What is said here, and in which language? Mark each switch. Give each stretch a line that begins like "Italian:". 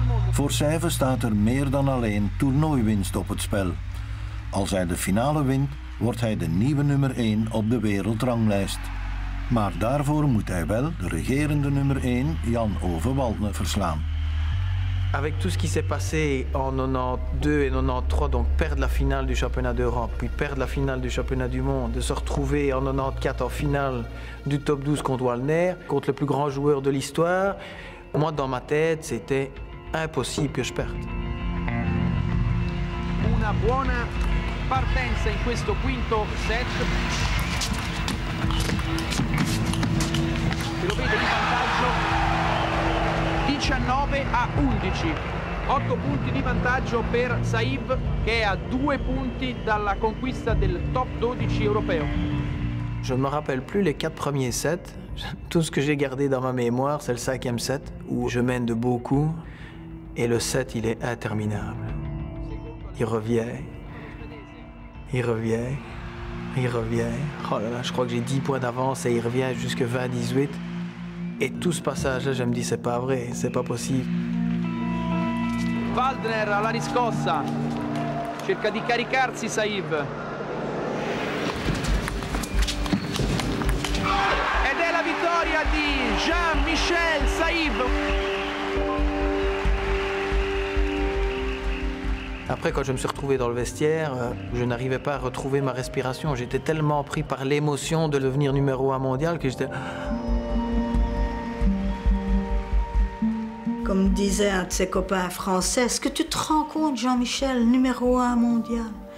Dutch: Voor Säve staat er meer dan alleen toernooiwinst op het spel. Als hij de finale wint, wordt hij de nieuwe nummer 1 op de wereldranglijst. Maar daarvoor moet hij wel de regerende nummer 1, Jan Ove Waldner, verslaan.
French: Avec tout ce qui s'est passé en 92 et 93, donc perdre la finale du championnat d'Europe, puis perdre la finale du championnat du monde, de se retrouver en 94 en finale du top 12 contre Waldner, contre le plus grand joueur de l'histoire, moi dans ma tête, c'était impossible que je perde.
Italian: Una buona partenza in questo quinto set. Se lo vede il vantaggio. 19-11, 8 punti di vantaggio per Saïf che è a 2 punti dalla conquista del top 12 europeo.
French: Je ne me rappelle plus les 4 premiers sets. Tout ce que j'ai gardé dans ma mémoire, c'est le 5e set où je mène de beaucoup et le set il est interminable. Il revient. Oh là là, je crois que j'ai 10 points d'avance et il revient jusque 20-18. Et tout ce passage-là, je me dis, c'est pas vrai, c'est pas possible.
Italian: Waldner à la riscossa. Cerca di caricarsi, Saïf. Ed è la vittoria di Jean-Michel Saïf.
French: Après, quand je me suis retrouvé dans le vestiaire, je n'arrivais pas à retrouver ma respiration. J'étais tellement pris par l'émotion de devenir numéro 1 mondial que j'étais... Comme disait un de ses copains français, est-ce que tu te rends compte, Jean-Michel, numéro 1 mondial?